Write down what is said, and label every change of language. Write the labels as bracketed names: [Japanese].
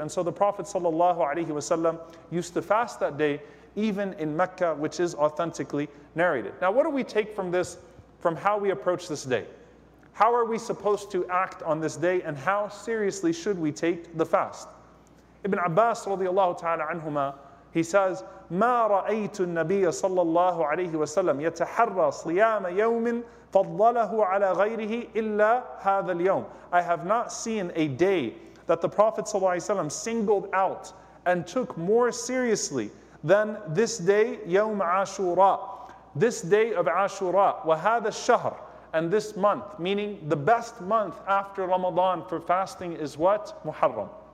[English] And so the Prophet sallallahu alayhi wasallam used to fast that day, even in Mecca, which is authentically narrated. Now, what do we take from this, from how we approach this day? How are we supposed to act on this day, and how seriously should we take the fast? [Arabic] Ibn Abbas radiallahu ta'ala anhuma, [English] he says, [Arabic] مَا رَأَيْتُ النَّبِيَ صَلَّى اللَّهُ عَلَيْهِ وَسَلَّمَ يَتَحَرَّى صِيَامَ يَوْمٍ فَضَّلَهُ عَلَى غَيْرِهِ إِلَّا هَذَا الْيَوْمِ. [English] I have not seen a day that the Prophet singled out and took more seriously than this day, يَوْمَ عَاشُورَى. This day of Ashura, [Arabic] وَهَذَا الشَّهْرِ, [English] and this month, meaning the best month after Ramadan for fasting is what? Muharram.